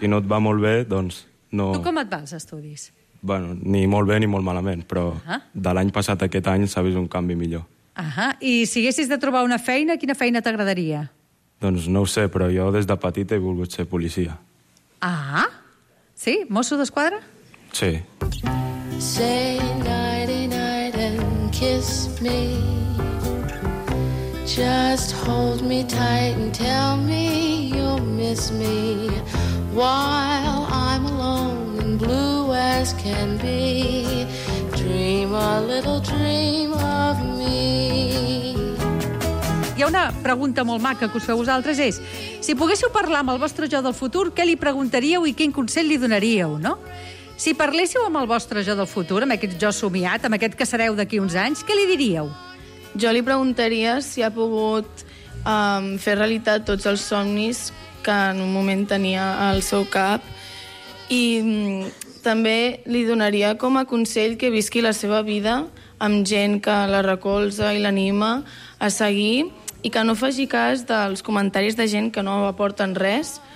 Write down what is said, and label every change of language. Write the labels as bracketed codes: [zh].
[ca] Si no et va molt bé, doncs no... Tu com et va, els estudis? Bueno, ni molt bé ni molt malament, però de l'any passat a aquest any s'ha vist un canvi millor. Ahà, i si haguessis de trobar una feina, quina feina t'agradaria? Doncs no ho sé, però jo des de petit he volgut ser policia. Ah, sí? Mosso d'Esquadra? Sí. [en] Say nighty-night and kiss me. Just hold me tight and tell me you'll miss me while I'm alone and blue as can be. Dream a little dream of me. [ca] Hi ha una pregunta molt maca que us feu vosaltres, és si poguéssiu parlar amb el vostre jo del futur, què li preguntaríeu i quin consell li donaríeu, no? Si parléssiu amb el vostre jo del futur, amb aquest jo somiat, amb aquest que sereu d'aquí uns anys, què li diríeu? Jo li preguntaria si ha pogut fer realitat tots els somnis que en un moment tenia al seu cap i també li donaria com a consell que visqui la seva vida amb gent que la recolza i l'anima a seguir i que no faci cas dels comentaris de gent que no aporten res